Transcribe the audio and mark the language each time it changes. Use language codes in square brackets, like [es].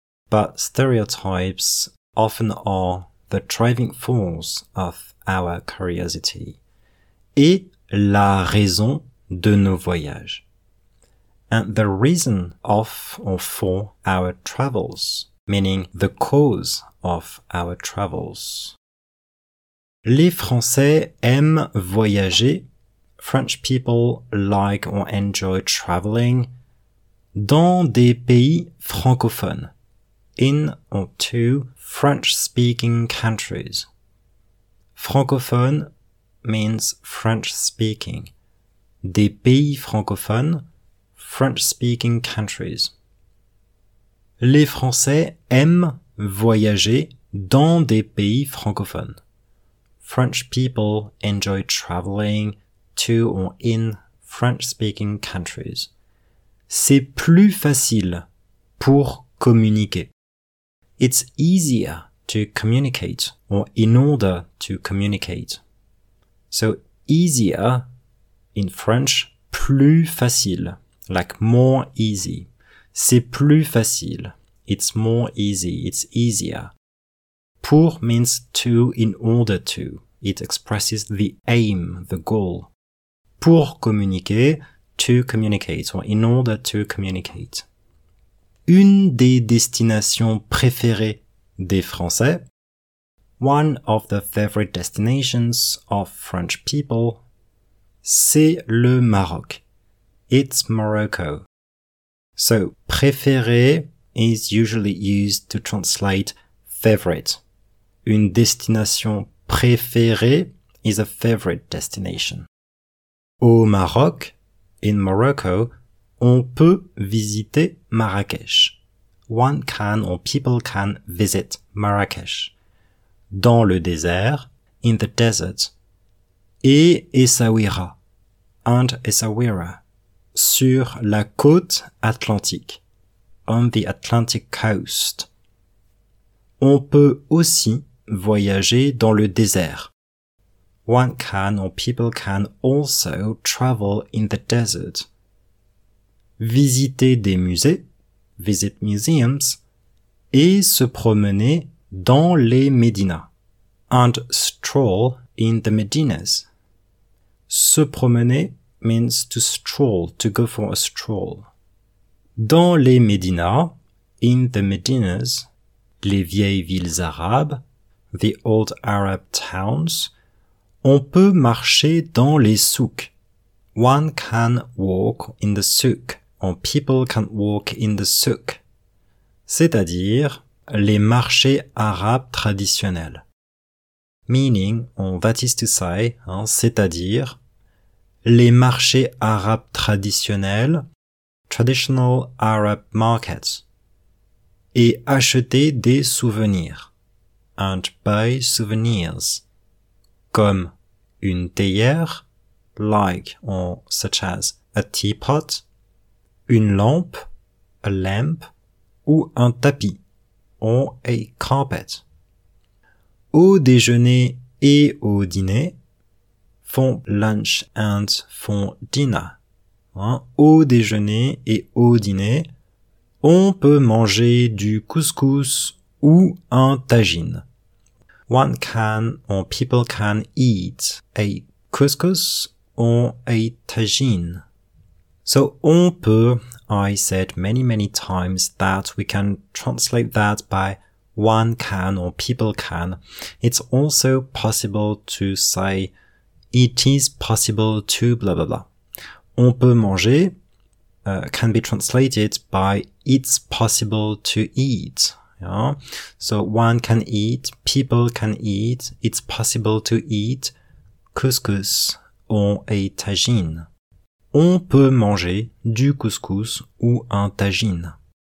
[en] But stereotypes often are the driving force of our curiosity [fr] et la raison de nos voyages. [en] And the reason of or for our travels, meaning the cause of our travels. [fr] Les Français aiment voyager. [en] French people like or enjoy traveling. [fr] Dans des pays francophones, [en] in or to French-speaking countries. Francophone means French-speaking. [fr] Des pays francophones, [en] French-speaking countries. [fr] Les Français aiment voyager dans des pays francophones. [en] French people enjoy traveling to or in French-speaking countries. [fr] C'est plus facile pour communiquer. [en] It's easier to communicate or in order to communicate. So easier in French, plus facile, like more easy. [fr] C'est plus facile. [en] It's more easy. It's easier. Pour means to in order to. It expresses the aim, the goal. [fr] Pour communiquer, [en] to communicate or in order to communicate. [fr] Une des destinations préférées des Français. [en] One of the favorite destinations of French people. [fr] C'est le Maroc. [en] It's Morocco. So, préféré is usually used to translate favorite. [fr] Une destination préférée [en] is a favorite destination. [fr] Au Maroc, [en] in Morocco, [fr] on peut visiter Marrakech. [en] One can or people can visit Marrakech. [fr] Dans le désert, [en] in the desert. [fr] Et Essaouira, [en] and Essaouira. [fr] Sur la côte atlantique, [en] on the Atlantic coast. [fr] On peut aussi voyager dans le désert. [en] One can or people can also travel in the desert. [fr] Visiter des musées, [en] visit museums, [fr] et se promener dans les médinas, [en] and stroll in the medinas. Se promener means to stroll, to go for a stroll. [fr] Dans les médinas, [en] in the medinas, [fr] les vieilles villes arabes, [en] the old Arab towns, [fr] on peut marcher dans les souks. [en] One can walk in the souk. Or people can walk in the souk. [fr] C'est-à-dire les marchés arabes traditionnels. [en] Meaning, or that is to say, [fr] hein, c'est-à-dire les marchés arabes traditionnels, [en] traditional Arab markets, [fr] et acheter des souvenirs, [en] and buy souvenirs, [fr] comme une théière, [en] like or such as a teapot, [fr] une lampe, [en] a lamp, [fr] ou un tapis, [en] or a carpet. [fr] Au déjeuner et au dîner, [en] font lunch and font dinner. [fr] Hein, au déjeuner et au dîner, on peut manger du couscous ou un tagine. [en] One can or people can eat a couscous or a tagine. So on peut, I said many, many times that we can translate that by one can or people can. It's also possible to say it is possible to blah, blah, blah. [fr] On peut manger [en] can be translated by it's possible to eat. Yeah? So one can eat, people can eat, it's possible to eat couscous or a tagine. [fr] On peut manger du couscous ou un tagine.